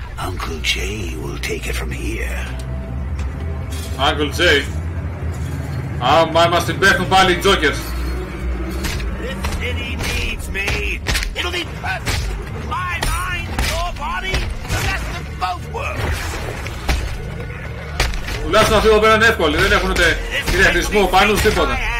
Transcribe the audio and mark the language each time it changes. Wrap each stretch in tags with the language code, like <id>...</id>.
<en>Uncle Jay will take it from here. Uncle Jay.</en> <el>Ah, μα μας την πέφτουν πάλι οι Jokers.</el> <en>If Diddy needs me, it'll be perfect. My mind, your body, the best of both worlds.</en> <el>Τουλάχιστον αυτοί εδώ πέρα είναι εύκολοι, δεν έχουν ούτε κυριαρχισμό, πάνω τίποτα.</el>